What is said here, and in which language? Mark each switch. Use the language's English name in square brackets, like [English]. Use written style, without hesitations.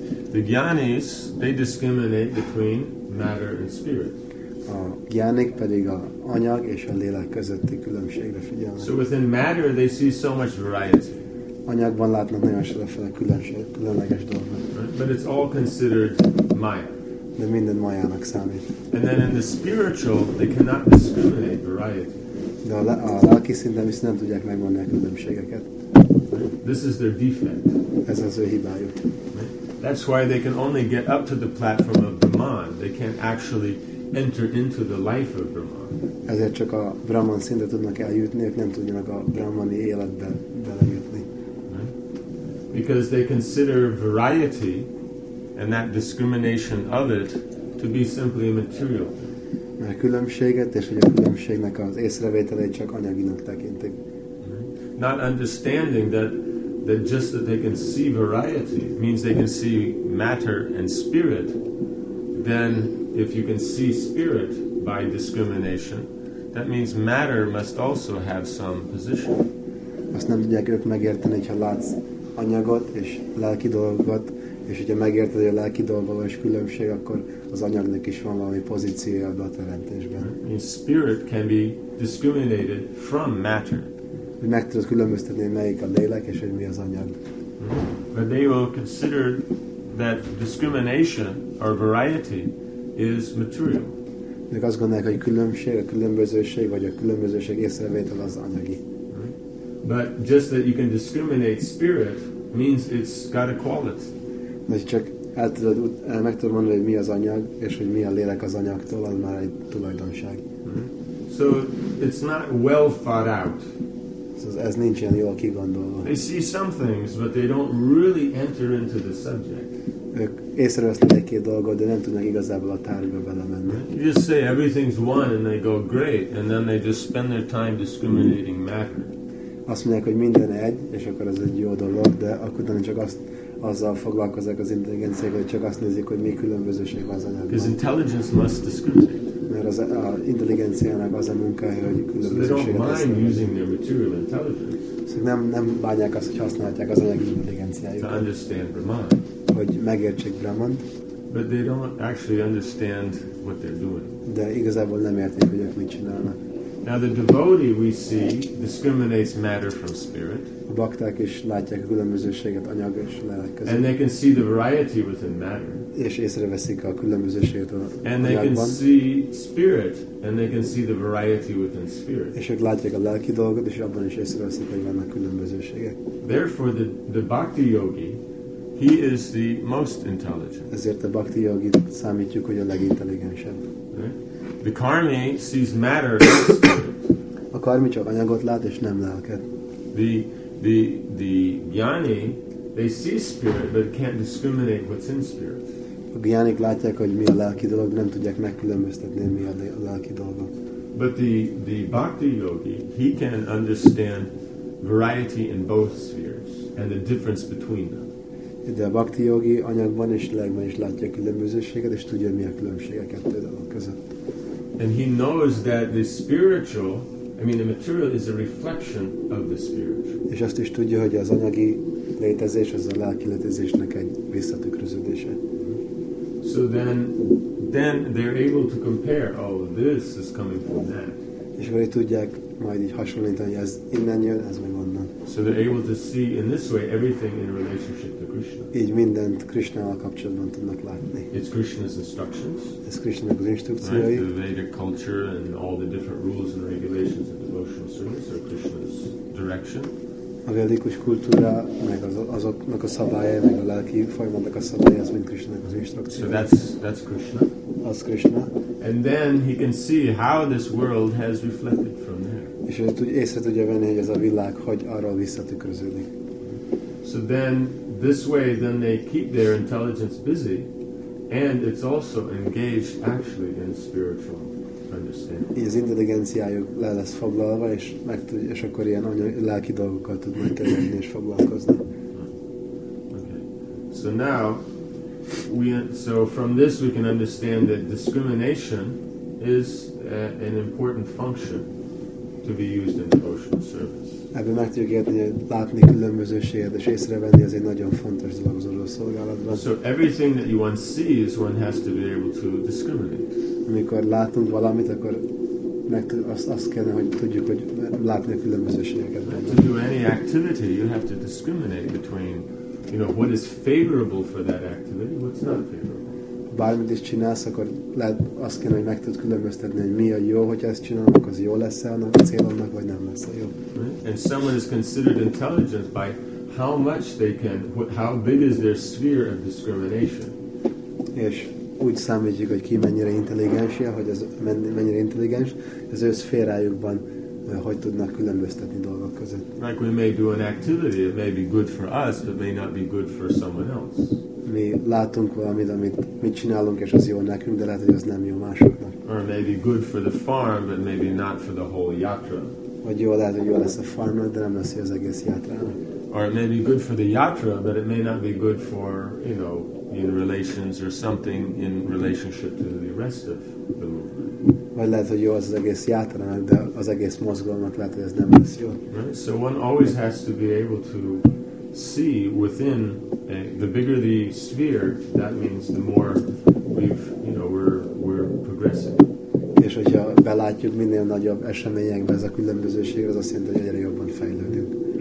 [English] The gyanis, they discriminate between matter and spirit. [Hungarian] A gyanik pedig a anyag és a lélek közötti különbségre figyelnek. [English] So within matter they see so much variety. [Hungarian] Anyagban látnak nagyon sokféle különleges dolgot. [English] But it's all considered maya. [Hungarian] De minden mayának számít. [English] And then in the spiritual, they cannot discriminate variety. [Hungarian] De a lelki szinten viszont nem tudják megmondani a különbségeket. [English] This is their defect. [Hungarian] Ez az ő hibájuk. [English] That's why they can only get up to the platform of Brahman. They can't actually enter into the life of Brahman. [Hungarian] Ezért csak a Brahman szintre tudnak eljutni, ők nem tudnak a brahmani életbe belejutni. [English] Because they consider variety and that discrimination of it to be simply material. [Hungarian] A különbséget és hogy a különbségnek az észrevételét csak anyaginak tekintik. [English] Not understanding that just that they can see variety means they can see matter and spirit. Then if you can see spirit by discrimination, that means matter must also have some position. [Hungarian] Azt nem tudják ők megérteni, hogyha látsz anyagot és lelki dolgokat, és hogyha megérted, hogy a lelki dolgok és különbség, akkor az anyagnak is van valami pozíciója a teremtésben. [English] Spirit can be discriminated from matter. [Hungarian] Meg tudod különböztetni, melyik a lélek és hogy mi az anyag. [English] But they will consider that discrimination or variety is material. [Hungarian] Ők azt gondolják, hogy különbség, a különbözőség vagy a különbözőség észrevétel az anyagi. [English] But just that you can discriminate spirit means it's got a quality. [Hungarian] De csak el tudod, meg tudod mondani, hogy mi az anyag, és hogy mi a lélek az anyagtól, az már egy tulajdonság. [English] So it's not well thought out. [Hungarian] Ez nincs ilyen jól kigondolva. [English] They see some things, but they don't really enter into the subject. [Hungarian] Ők észrevesznek egy-két dolgot, de nem tudnak igazából a tárgyba belemenni. [English] You just say everything's one and they go great and then they just spend their time discriminating matter. [Hungarian] Azt mondják, hogy minden egy, és akkor ez egy jó dolog, de akkor nem csak azt azzal foglalkozik az intelligencia, hogy csak azt nézik, hogy mi különbözőség van az anyagban. [English] Because intelligence must discriminate. [Hungarian] Mert az a intelligenciának az a munkája, hogy különbözőséget használják. [English] They don't mind using their material intelligence. [Hungarian] Szóval nem bánják azt, hogy használják az anyagi intelligenciájukat. [English] To understand Brahman. [Hungarian] Hogy megértsék Brahmant. [English] But they don't actually understand what they're doing. [Hungarian] De igazából nem értik, hogy ők mit csinálnak. [English] Now the devotee we see discriminates matter from spirit. [Hungarian] A bakták is látják a különbözőséget anyag és lélek között. [English] And they can see the variety within matter. [Hungarian] És észreveszik a különbözőséget a anyagban. [English] And they can see spirit, and they can see the variety within spirit. [Hungarian] És ők látják a lelki dolgot, és abban is észreveszik, hogy vannak különbözőségek. [English] Therefore the bhakti yogi, he is the most intelligent. [Hungarian] Ezért a bhakti yogit számítjuk, hogy a legintelligensebb. [English] The karmi sees matter. [Hungarian] A karmi csak anyagot lát és nem lelket. [English] The gyani, they see spirit but can't discriminate what's in spirit. [Hungarian] A gyanik látják, hogy mi a lelki dolog, nem tudják megkülönböztetni, mi a lelki dolga. [English] But the bhakti yogi, he can understand variety in both spheres and the difference between them. [Hungarian] De a bhakti yogi anyagban és lelkben is látja a különbözőséget és tudja, mi a különbség a kettő dolog között. [English] And he knows that the spiritual, I mean the material, is a reflection of the spiritual. [Hungarian] És azt is tudja, hogy az anyagi létezés az a lelki létezésnek egy visszatükröződése. [English] So then they're able to compare. Oh, this is coming from that. [Hungarian] És akkor tudják majd így hasonlítani, hogy ez innen jön, ez meg onnan. [English] So they're able to see in this way everything in relationship to Krishna. [Hungarian] Így mindent Krishnával kapcsolatban tudnak látni. [English] It's Krishna's instructions. [Hungarian] Ez Krishna-nak az instrukciói. [English] Right? The Vedic culture and all the different rules and regulations of devotional service are Krishna's direction. [Hungarian] A vedikus kultúra, meg azoknak a szabályai, meg a lelki folyamatnak a szabályai, az mind Krishna-nak az instrukciói. [English] So that's Krishna. [Hungarian] Az Krishna. [English] And then he can see how this world has reflected from there. [Hungarian] És ő észre tudja venni, hogy ez a világ hogy arról visszatükröződik. [English] So then, this way, then they keep their intelligence busy, and it's also engaged actually in spiritual understanding. [Hungarian] Az intelligenciájuk le lesz foglalva, és meg tudja, és akkor ilyen lelki dolgokkal tud megkezdeni és foglalkozni. [English] Okay. So now, so from this we can understand that discrimination is an important function to be used in devotional service. [Hungarian] Ebben meg tudjuk érteni, hogy látni különbözőséget és észrevenni az egy nagyon fontos dolog az adott szolgálatban. [English] So everything that you one sees, one has to be able to discriminate. [Hungarian] Amikor látunk valamit, akkor azt kell, hogy tudjuk, hogy látni a különbözőségeket. [English] To do any activity, you have to discriminate between, you know, what is favorable for that activity, what's not favorable. [Hungarian] Bármit is csinálsz, akkor lehet azt kell, hogy meg tud különböztetni, hogy mi a jó, hogy ezt csinálok, az jó lesz-e a célomnak, vagy nem lesz a jó. [English] Right? And someone is considered intelligent by how much they can, how big is their sphere of discrimination. [Hungarian] És úgy számítjuk, hogy ki mennyire intelligens, hogy ez mennyire intelligens, az ő szférájukban hogy tudnak különböztetni dolgok között. [English] Like we may do an activity, it may be good for us, but may not be good for someone else. [Hungarian] Mi látunk valamit, amit mi csinálunk, és az jó nekünk, de lehet, hogy az nem jó másoknak. [English] Or it may be good for the farm, but maybe not for the whole yatra. [Hungarian] Vagy jó, lehet, hogy jó lesz a farmnak, de nem lesz jó az egész yatrának. [English] Or it may be good for the yatra, but it may not be good for, you know, in relations or something in relationship to the rest of the movement. [Hungarian] Vagy lehet, hogy jó az egész játranak, de az egész mozgalomnak lehet, hogy ez nem lesz jó. [English] Right? So one always has to be able to see within the bigger the sphere, that means the more we've, you know, we're progressing. [Hungarian] És hogyha belátjuk minél nagyobb eseményekben ez a különbözőség, az azt jelenti, hogy egyre jobban fejlődünk.